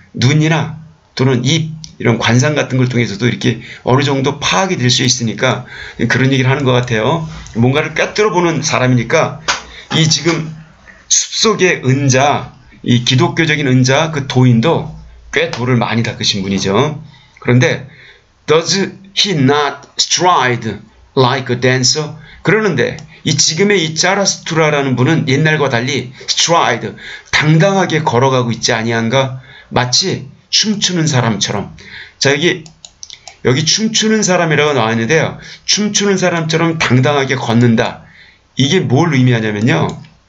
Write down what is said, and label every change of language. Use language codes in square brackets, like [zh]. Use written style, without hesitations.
[ko] 눈이나 또는 입, 이런 관상 같은 걸 통해서도 이렇게 어느 정도 파악이 될수 있으니까 그런 얘기를 하는 것 같아요. 뭔가를 꿰뚫어 보는 사람이니까 이 지금 숲속의 은자, 이 기독교적인 은자, 그 도인도 꽤 도를 많이 닦으신 분이죠. 그런데, [en] Does he not stride like a dancer? [ko] 그러는데, 이 지금의 이 짜라스투라라는 분은 옛날과 달리 stride, 당당하게 걸어가고 있지 아니한가? 마치 춤추는 사람처럼. 자, 여기 춤추는 사람이라고 나와 있는데요. 춤추는 사람처럼 당당하게 걷는다. 이게 뭘 의미하냐면요.